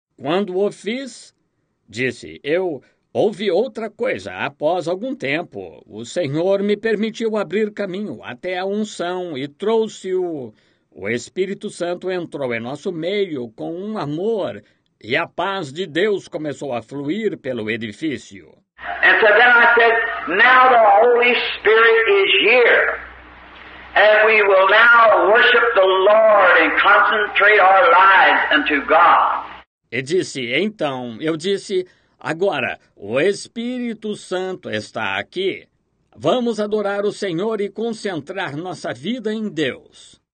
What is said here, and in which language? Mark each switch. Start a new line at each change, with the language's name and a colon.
Portuguese: Quando o fiz, disse, eu ouvi outra coisa. Após algum tempo, o Senhor me permitiu abrir caminho até a unção e trouxe o Espírito Santo entrou em nosso meio com um amor. E a paz de Deus começou a fluir pelo edifício.
English: And so then I said, now the Holy Spirit is here. And we will now worship the Lord and concentrate our lives unto God.
Portuguese: E disse, então, eu disse, agora, o Espírito Santo está aqui. Vamos adorar o Senhor e concentrar nossa vida em Deus.